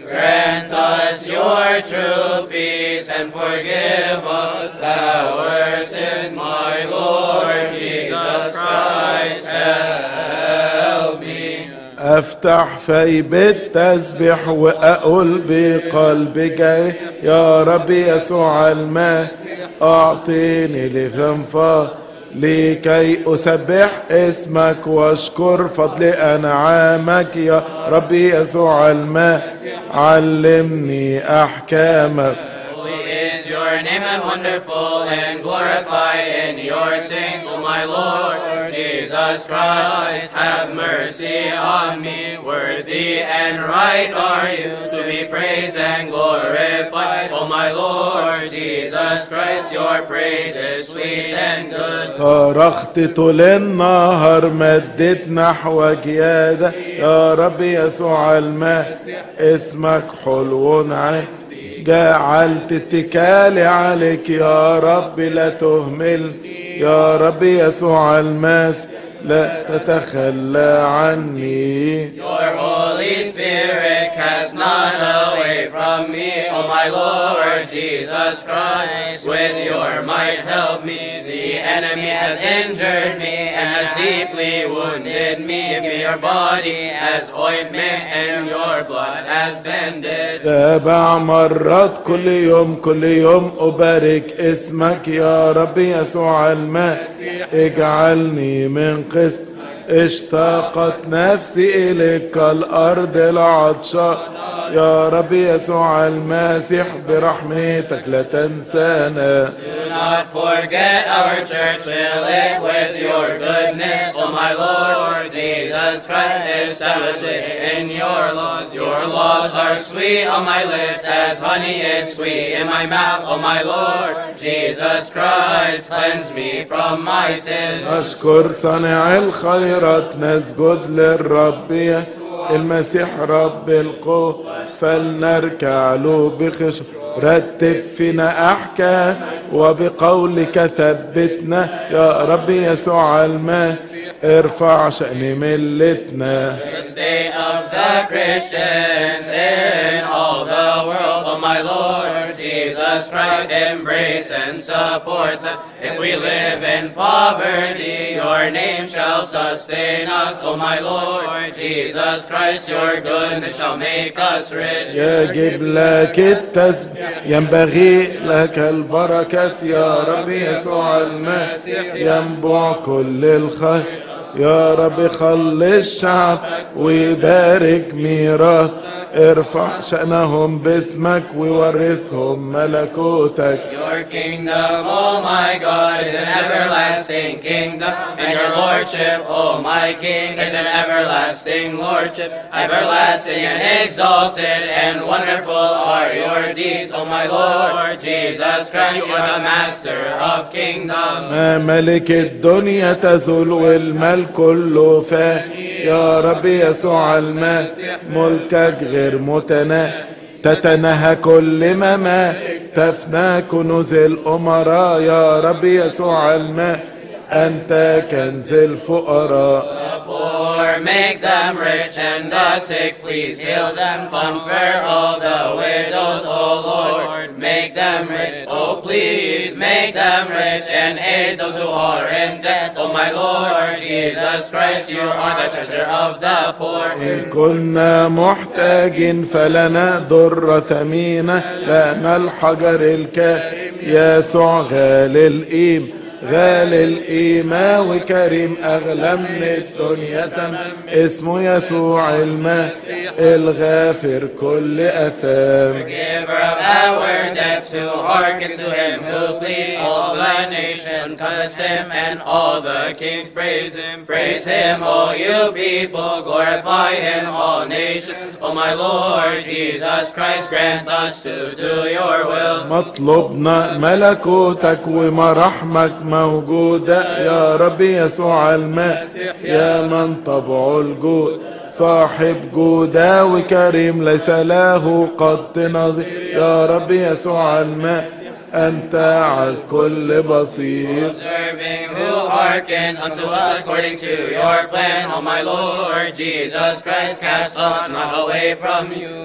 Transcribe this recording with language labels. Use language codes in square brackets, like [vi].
[en] Grant us your true peace and forgive us our sins, my Lord Jesus Christ, help me. [ar] أفتح في بيت تسبح وأقول بقلبي جاي يا ربي يسوع المسيح أعطيني لفنفة لكي أسبح اسمك وأشكر فضل أنعامك يا ربي يسوع المسيح علمني أحكامك. [en] Your name and wonderful and glorified in your saints, O my Lord Jesus Christ. Have mercy on me. Worthy and right are you to be praised and glorified, O my Lord Jesus Christ. Your praise is sweet and good. [ar] صرخت طول النهار مديت نحوك يا ده يا رب يسوع المسيح اسمك حلو ونعم. جعلت اتكالي عليك يا رب لا تهمل يا رب يسوع المسيح لا تتخلى عني. [en] Your Holy Spirit cast not away from me, O my Lord Jesus Christ. With your might help me. The enemy has injured me and has deeply wounded me. Give me your body as ointment and your blood as bandage. [ar] سبع مرات كل يوم كل يوم أبارك اسمك يا رب يسوع المسيح. اجعلني من قسم. اشتاقت نفسي إليك كالأرض العطشة يا ربي يسوع المسيح برحمتك لا تنسانا. [en] Do not forget our church, fill it with your goodness, O my Lord Jesus Christ. Establish it in your laws. Your laws are sweet on my lips as honey is sweet in my mouth, O my Lord Jesus Christ. Cleanse me from my sins. [ar] أشكر صانع الخير نسجد للرب المسيح رب القوة فلنركع له بخشوع. رتب فينا أحكام وبقولك ثبتنا يا رب يسوع المسيح ارفع شأن ملتنا. [en] The state of the Christians in all the world, O my Lord Jesus Christ, embrace and support them. If we live in poverty, your name shall sustain us, O my Lord Jesus Christ, your goodness shall make us rich. [ar] يجب لك التسبيح ينبغي لك البركة يا ربي يسوع المسيح ينبع كل الخير يا رب. خلص الشعب ويبارك ميراث ارفع شأنهم باسمك وورثهم ملكوتك. [en] Your kingdom, O my God, is an everlasting kingdom, and your lordship, O my King, is an everlasting lordship. Everlasting and exalted and wonderful are your deeds, O my Lord Jesus Christ. You are the master of kingdoms. [ar] ملك الدنيا تزول والملك كله فان يا ربي يسوع المسيح. ملكك غير متنا تتنهى كل مما تفنى كنوز الأمراء يا ربي يسوع المسيح. أنت كنز الفقراء. [en] The poor make them rich and the sick please heal them. Comfort all the widows, O Lord. Make them rich, O please make them rich and aid those who are in debt, O my Lord Jesus Christ. You are the treasure of the poor. [ar] إن كنا محتاجين فلنا ضر ثمينة لأن الحجر الكريم يسوع غالي القيم. غالي القيمة وكريم أغلى من الدنيا تمام اسمه يسوع المسيح الغافر كل أثام. [en] Giver of our debts who hearkens to him who pleads. All the nations confess him and all the kings praise him. Praise him, all you people, glorify him, all nations. O my Lord Jesus Christ, grant us to do your will. [ar] مطلوبنا ملكوتك ومرحمك موجودة يا ربي يسوع المسيح. يا من طبع الجود صاحب جودة وكريم ليس له قد نظير يا ربي يسوع المسيح. أنت على كل بصير. [en] Observing who hearken unto us according to your plan, O my Lord Jesus Christ, cast us not away from you.